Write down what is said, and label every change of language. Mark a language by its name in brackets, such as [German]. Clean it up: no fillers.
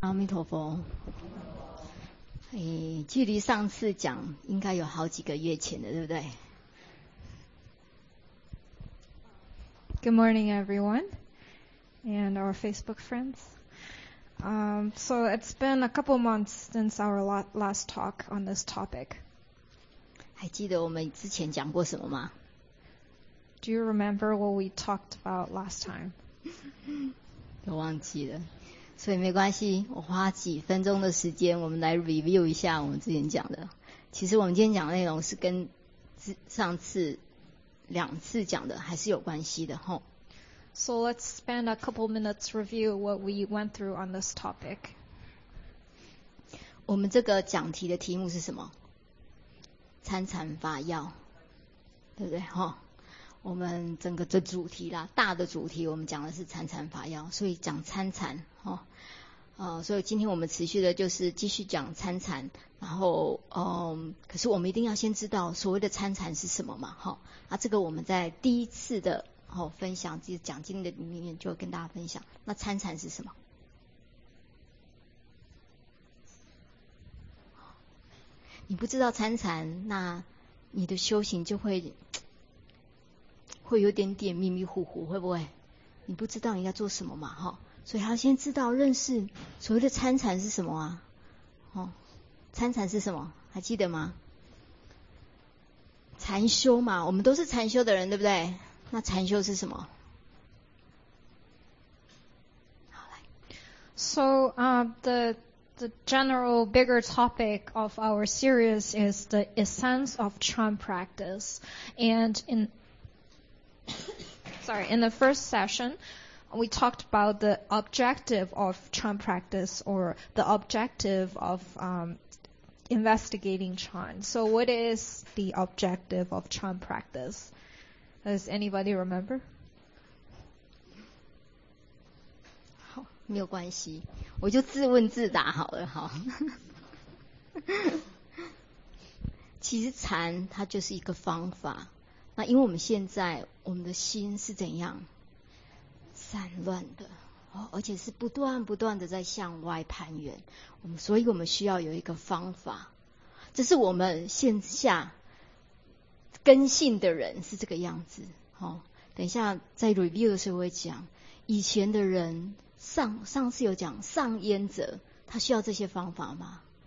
[Chinese] 阿弥陀佛，距离上次讲应该有好几个月前的，对不对 [English] ？Good morning, everyone, and our Facebook friends. So it's been a couple months since our last talk on this topic. [Chinese] 还记得我们之前讲过什么吗 [English] ？Do you remember what we talked about last time? [Chinese] 都忘记了。所以没关系，我花几分钟的时间，我们来 review 一下我们之前讲的。其实我们今天讲的内容是跟上次两次讲的还是有关系的吼。 [English] So let's spend a couple minutes review what we went through on this topic. [Chinese] 我们这个讲题的题目是什么？参禅发要，对不对吼？我们整个的主题啦，大的主题我们讲的是参禅法要，所以讲参禅哦，所以今天我们持续的就是继续讲参禅，然后可是我们一定要先知道所谓的参禅是什么嘛，哈、哦，这个我们在第一次的分享就是讲经的里面就跟大家分享，那参禅是什么？你不知道参禅，那你的修行就会。会有点点迷迷糊糊，会不会？你不知道你要做什么嘛，哈、哦，所以要先知道认识所谓的参禅是什么啊？哦，参禅是什么？还记得吗？禅修嘛，我们都是禅修的人，对不对？那禅修是什么？好，来。 [English] So, the general bigger topic of our series is the essence of Chan practice, and in Sorry, in the first session, we talked about the objective of Chan practice or the objective of investigating Chan. So what is the objective of Chan practice? Does anybody remember? [Chinese] 好，没有关系，我就自问自答好了哈。其实禅它就是一个方法。那因为我们现在我们的心是怎样散乱的、哦、而且是不断不断的在向外攀援，所以我们需要有一个方法，这是我们线下根性的人是这个样子、哦、等一下在 review 的时候会讲以前的人 上次有讲上烟者他需要这些方法吗、